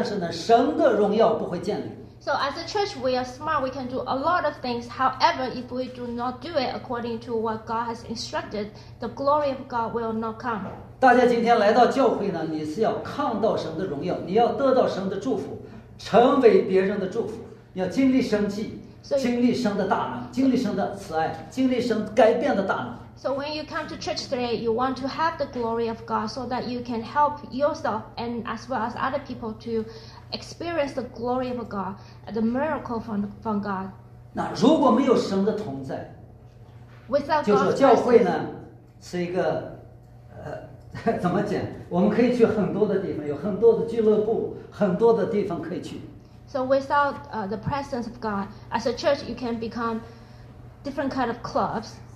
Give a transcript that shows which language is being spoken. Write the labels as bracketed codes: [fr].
[zh] 我们可以做很多的事情，教会，我们都很聪明，但是呢，不按天上的样式呢，神的荣耀不会降临。 [en] So as a church, we are smart. We can do a lot of things. However, if we do not do it according to what God has instructed, the glory of God will not come. [zh] 大家今天来到教会呢，你是要看到神的荣耀，你要得到神的祝福，成为别人的祝福。要经历神迹，经历神的大能，经历神的慈爱，经历神改变的大能。 [en] So when you come to church today, you want to have the glory of God so that you can help yourself and as well as other people to experience the glory of God, the miracle from God. [zh] 那如果没有神的同在， [en] Without [zh] 就说教会呢，是一个，怎么讲？我们可以去很多的地方，有很多的俱乐部，很多的地方可以去。 [en] So without the presence of God, as a church, you can become different kind of clubs.